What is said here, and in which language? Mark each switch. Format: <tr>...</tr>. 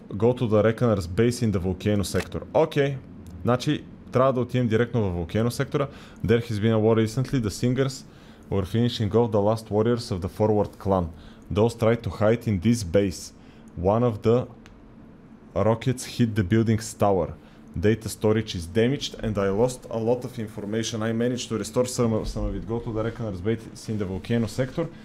<en>go to the reckoner's base in the volcano sector.</en> <bg>Окей, значи трябва да отидем директно в вулкано сектора.</bg> <en>There has been a war recently. The singers were finishing off the last warriors of the forward clan. Those tried to hide in this base. One of the rockets hit the building's tower. Data storage is damaged and I lost a lot of information. I managed to restore some of it. Go to the reckoner's base in the volcano sector.</en>